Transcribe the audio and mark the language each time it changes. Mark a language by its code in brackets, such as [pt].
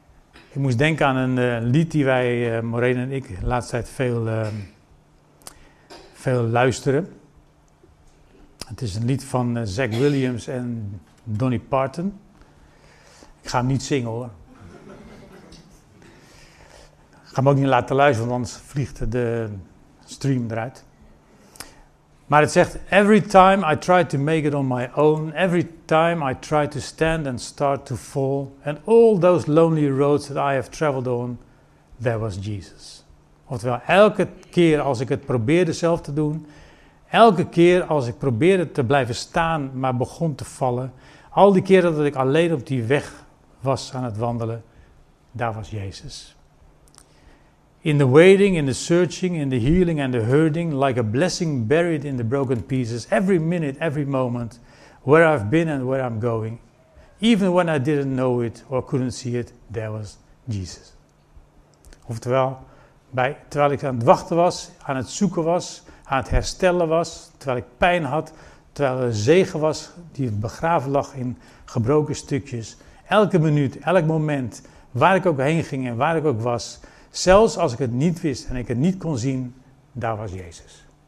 [nl] Ik moest denken aan een lied die wij, Maureen en ik, de laatste tijd veel luisteren. Het is een lied van Zach Williams en Donny Parton. Ik ga hem niet zingen hoor. Ik ga hem ook niet laten luisteren, want anders vliegt de stream eruit. Maar het zegt, [en] every time I try to make it on my own, every time I try to stand and start to fall, and all those lonely roads that I have traveled on, there was Jesus. [nl] Oftewel, elke keer als ik het probeerde zelf te doen, elke keer als ik probeerde te blijven staan, maar begon te vallen, al die keren dat ik alleen op die weg was aan het wandelen, daar was Jezus. [en] In the waiting, in the searching, in the healing and the hurting, like a blessing buried in the broken pieces, every minute, every moment, where I've been and where I'm going, even when I didn't know it or couldn't see it, there was Jesus. [nl] Oftewel, terwijl ik aan het wachten was, aan het zoeken was, aan het herstellen was, terwijl ik pijn had, terwijl er zegen was die begraven lag in gebroken stukjes, elke minuut, elk moment, waar ik ook heen ging en waar ik ook was, zelfs als ik het niet wist en ik het niet kon zien, daar was Jezus.